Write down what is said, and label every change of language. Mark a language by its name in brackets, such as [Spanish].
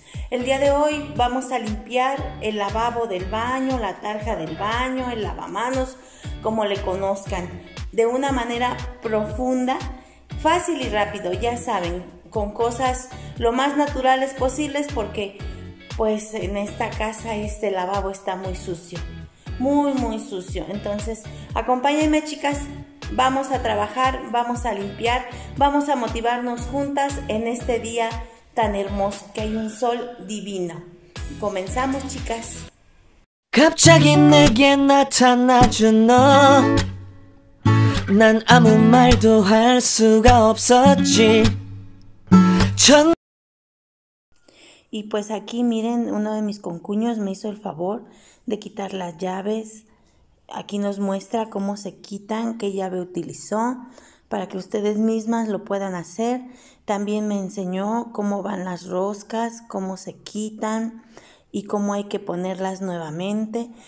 [Spanish] El día de hoy vamos a limpiar el lavabo del baño, la tarja del baño, el lavamanos, como le conozcan, de una manera profunda, fácil y rápido, ya saben, con cosas lo más naturales posibles porque pues en esta casa este lavabo está muy sucio. Muy sucio. Entonces, acompáñenme, chicas. Vamos a trabajar, vamos a limpiar, vamos a motivarnos juntas en este día tan hermoso, que hay un sol divino. Comenzamos, chicas. [Korean] 갑자기 내게 나타나죠, 너. 난 아무 말도 할 수가 없었지. [Spanish] Y pues aquí miren, uno de mis concuños me hizo el favor de quitar las llaves. Aquí nos muestra cómo se quitan, qué llave utilizó, para que ustedes mismas lo puedan hacer. También me enseñó cómo van las roscas, cómo se quitan y cómo hay que ponerlas nuevamente.